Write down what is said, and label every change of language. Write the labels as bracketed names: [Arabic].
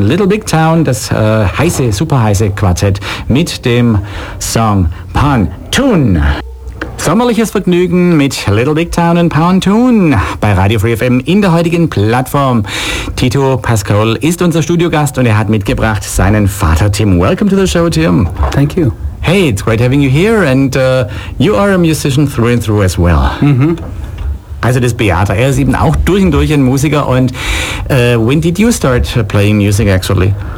[German] Little Big Town, das heiße, super heiße Quartett mit dem Song Pontoon. Sommerliches Vergnügen mit Little Big Town und Pontoon bei Radio Free FM in der heutigen Plattform. Tito Pascal ist unser Studiogast und er hat mitgebracht seinen Vater Tim. [English] Welcome to the show, Tim. Thank you. Hey, it's great having you here, and you are a musician through and through as well. Mm-hmm. [German] Also das Beata, er ist eben auch durch und durch ein Musiker. [English] Und when did you start playing music, actually?